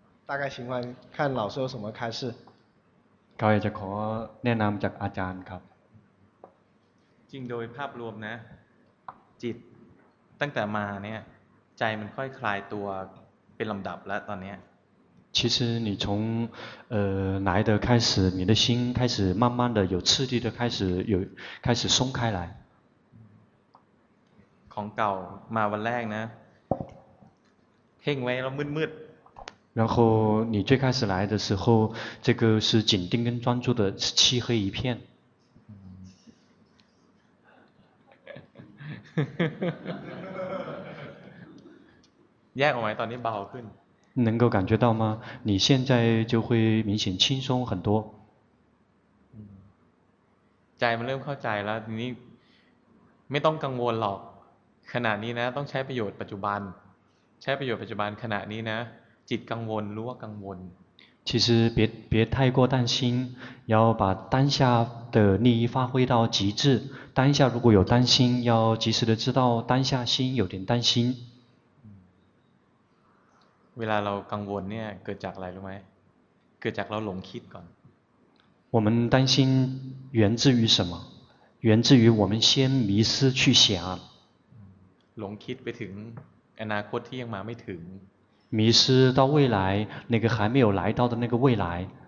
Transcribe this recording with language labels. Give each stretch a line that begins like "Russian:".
Chinese: 大概情况看老师有什么开示
Thai: เขาอยากจะขอแนะนำจากอาจารย์ครับ จริงโดยภาพรวมนะจิตตั้งแต่มาเนี่ยใจมันค่อยคลายตัวเป็นลำดับแล้วตอนนี้
Chinese: 其实你从来的开始你的心开始慢慢的有刺激的开始松开来
Thai: ของเก่ามาวันแรกนะเพ่งไว้แล้วมืด
Chinese: ๆ然后你最开始来的时候这个是紧盯跟专注的是漆黑一片
Thai: แยกออกไหมตอนนี้เบาขึ้น
Chinese: 能够感觉到吗？你现在就会明显轻松很多。
Thai: ใจมันเริ่มเข้าใจแล้วทีนี้ไม่ต้องกังวลหรอกขนาดนี้นะต้องใช้ประโยชน์ปัจจุบัน ช้ประโยชน์ปัจจุบันขณะนี้นะจิตกังวลรู้ว่ากังวล
Chinese: 其实别太过担心，要把当下的利益发挥到极致。当下如果有担心，要及时的知道当下心有点担心。
Thai: เวลาเรากังวลเนี่ยเกิดจากอะไรรู้ไหมเกิดจากเราหลงคิดก่อน
Chinese: 我们担心源自于什么？源自于我们先迷失去想。
Thai: หลงคิดไปถึงอนาคตที่ยังมาไม่ถึง
Chinese: 迷失到未来那个还没有来到的那个未来